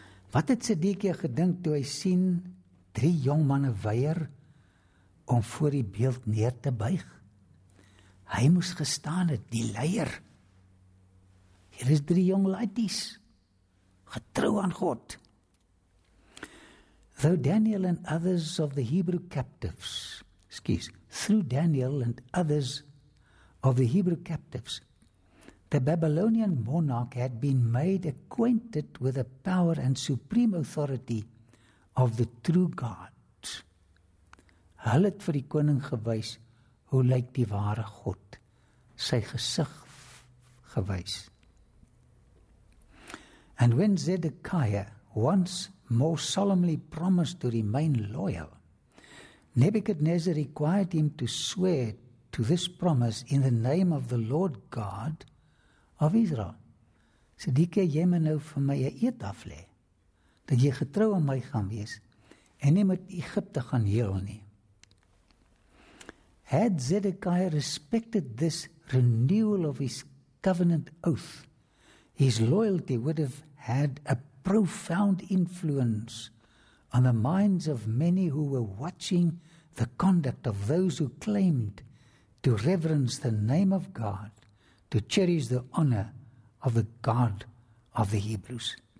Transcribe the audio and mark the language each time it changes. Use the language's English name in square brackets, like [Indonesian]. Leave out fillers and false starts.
[Afrikaans] Wat het Sedekia gedink toe hy sien drie jong manne weier om voor die beeld neer te buig? Hy moes gestaan het, die leier. Hier is drie jong laities, getrou aan God. [English] Through Daniel and others of the Hebrew captives, the Babylonian monarch had been made acquainted with the power and supreme authority of the true God. [Afrikaans] Hy het vir die koning gewys hoe lyk die ware God, sy gesig gewys. [English] And when Zedekiah once more solemnly promised to remain loyal, Nebukadnezar required him to swear to this promise in the name of the Lord God of Israel. [Afrikaans] Sedekia, jy moet nou vir my 'n eed aflê, dat jy getrou aan my gaan wees, en nie met Egypte gaan heel nie. [English] Had Zedekiah respected this renewal of his covenant oath, His loyalty would have had a profound influence on the minds of many who were watching the conduct of those who claimed to reverence the name of God, to cherish the honor of the God of the Hebrews.